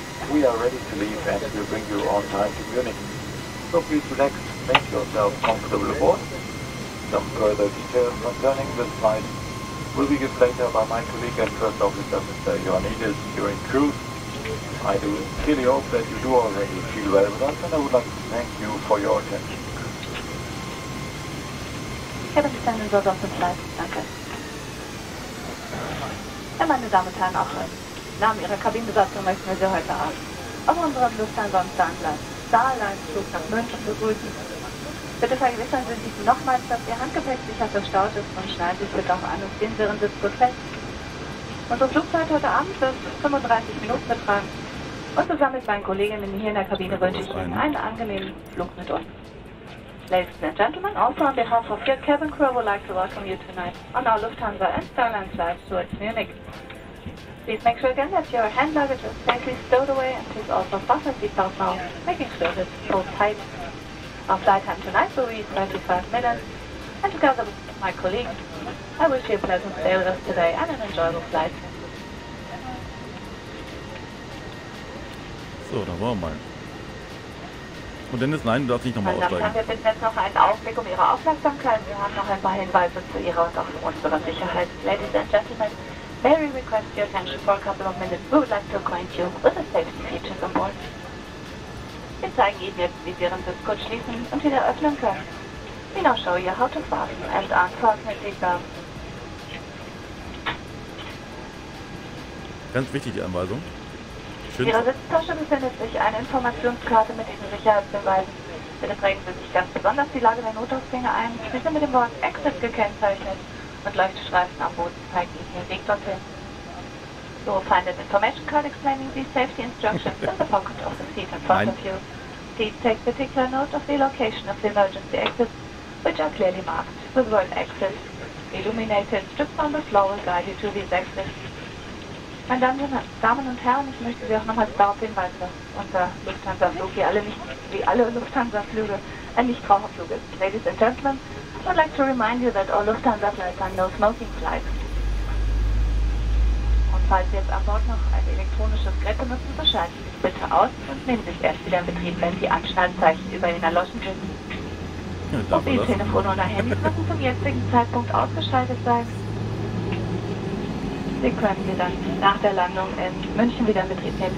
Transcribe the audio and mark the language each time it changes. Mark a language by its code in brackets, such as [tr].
[en] We are ready to leave and we'll bring you on time to Munich. So please relax, make yourself comfortable aboard. Some further details concerning this flight will be given later by my colleague and first officer, Mr. Ioannidis, during cruise. I do sincerely hope that you do already feel well with us and I would like to thank you for your attention. [de] Ich habe es dann sowas mit Fleisch. Danke. Ja, meine Damen und Herren, auch im Namen Ihrer Kabinenbesatzung möchten wir Sie heute Abend auf unserem Lufthansa-Starline-Flug nach München begrüßen. Bitte vergewissern Sie sich nochmals, dass Ihr Handgepäck sicher verstaut ist und schneiden Sie sich bitte auch an und ziehen Sie Ihren Sitz gut fest. Unsere Flugzeit heute Abend wird 35 Minuten betragen. Und zusammen mit meinen Kolleginnen hier in der Kabine wünsche ich Ihnen einen angenehmen Flug mit uns. [en] Ladies and gentlemen, also on behalf of your cabin crew, we would like to welcome you tonight on our Lufthansa and Starline flights towards Munich. Please make sure again that your hand luggage is safely stowed away and please also fasten your seatbelt now, making sure that it's all tight. Our flight time tonight will be 25 minutes, and together with my colleagues, I wish you a pleasant sail with us today and an enjoyable flight. [de] So, da war mal. Und Dennis, nein, du darfst nicht nochmal aussteigen. Dann haben wir jetzt noch einen Augenblick um Ihre Aufmerksamkeit. Wir haben noch ein paar Hinweise zu Ihrer und auch zu unserer Sicherheit. [en] Ladies and gentlemen, may we request your attention for a couple of minutes. We would like to acquaint you with the safety features on board. [de] Wir zeigen Ihnen jetzt, wie Sie Ihren Sitz kurz schließen und wieder öffnen können. [en] We now show you how to fasten and unfasten the seatbelt. [de] Ganz wichtig, die Anweisung. In Ihrer Sitztasche befindet sich eine Informationskarte mit Ihren Sicherheitsbeweisen. Bitte prägen Sie sich ganz besonders die Lage der Notausgänge ein. Sie sind mit dem Wort Exit gekennzeichnet und leuchte Streifen am Boden zeigen Ihnen den Weg dorthin. [en] You will find an information card explaining the safety instructions in the pocket of the seat in front of you. Please take particular note of the location of the emergency exits, which are clearly marked with word Exit. Illuminated strips on the floor will guide you to these exits. [de] Meine Damen und Herren, ich möchte Sie auch nochmals darauf hinweisen, dass unser Lufthansa-Flug wie alle Lufthansa-Flüge ein Nichtraucherflug ist. [en] Ladies and gentlemen, I would like to remind you that all Lufthansa flights are no smoking flights. [de] Und falls Sie jetzt an Bord noch ein elektronisches Gerät benutzen, so schalten Sie es bitte aus und nehmen Sie es erst wieder in Betrieb, wenn die Anschnallzeichen über Ihnen erloschen sind. Ja, Mobiltelefone oder Handys müssen zum jetzigen Zeitpunkt ausgeschaltet sein. Sie können Sie dann nach der Landung in München wieder in Betrieb nehmen.